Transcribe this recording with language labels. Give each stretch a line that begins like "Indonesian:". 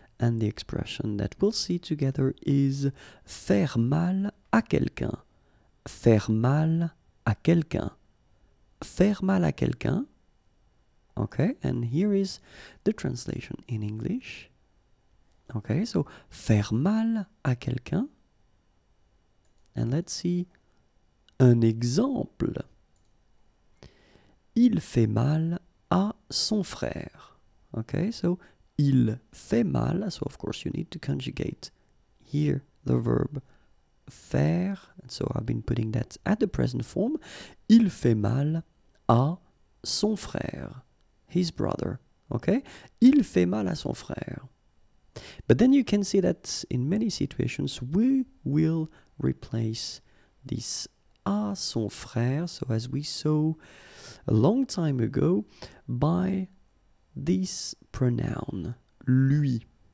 English: And the expression that we'll see together is
French: faire mal à quelqu'un. Faire mal à quelqu'un. Faire mal à quelqu'un.
English: Okay, and here is the translation in English. Okay, so
French: faire mal à quelqu'un.
English: And let's see
French: un exemple. Il fait mal à son frère.
English: Okay, so
French: il fait mal.
English: So of course you need to conjugate here the verb faire. And so I've been putting that at the present form.
French: Il fait mal à son frère.
English: His brother.
French: Okay, il fait mal à son frère.
English: But then you can see that in many situations we will replace this
French: à son frère,
English: so as we saw a long time ago, by this pronoun, lui.